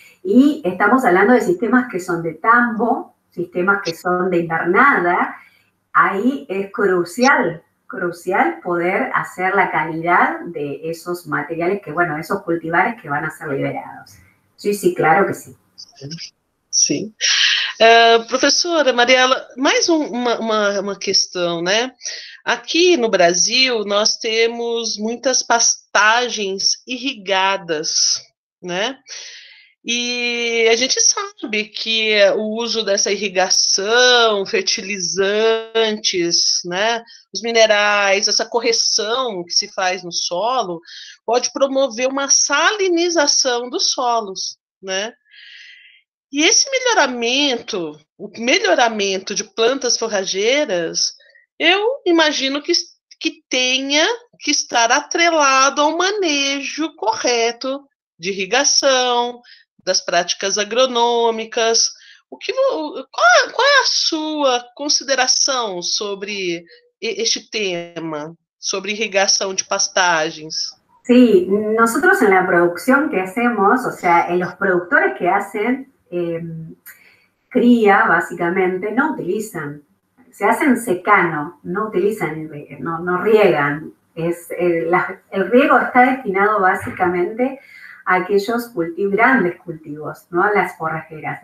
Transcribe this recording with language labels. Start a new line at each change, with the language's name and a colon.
Spanish: Y estamos hablando de sistemas que son de tambo, sistemas que son de invernada. Ahí es crucial, crucial poder hacer la calidad de esos materiales que, bueno, esos cultivares que van a ser liberados. Sí, claro que sí.
Portuguese: Sim. Professora Mariela, mais uma questão, né? Aqui no Brasil, nós temos muitas pastagens irrigadas, né? E a gente sabe que o uso dessa irrigação, fertilizantes, né? Os minerais, essa correção que se faz no solo, pode promover uma salinização dos solos, né? E esse melhoramento, o melhoramento de plantas forrageiras, eu imagino que tenha que estar atrelado ao manejo correto de irrigação, das práticas agronômicas. Qual é a sua consideração sobre este tema, sobre irrigação de pastagens?
Spanish: Sí, nosotros en la producción que hacemos, o sea, en los productores que hacen cría, básicamente, no utilizan, se hacen secano, no utilizan, no riegan. El riego está destinado básicamente a aquellos grandes cultivos, no a las forrajeras.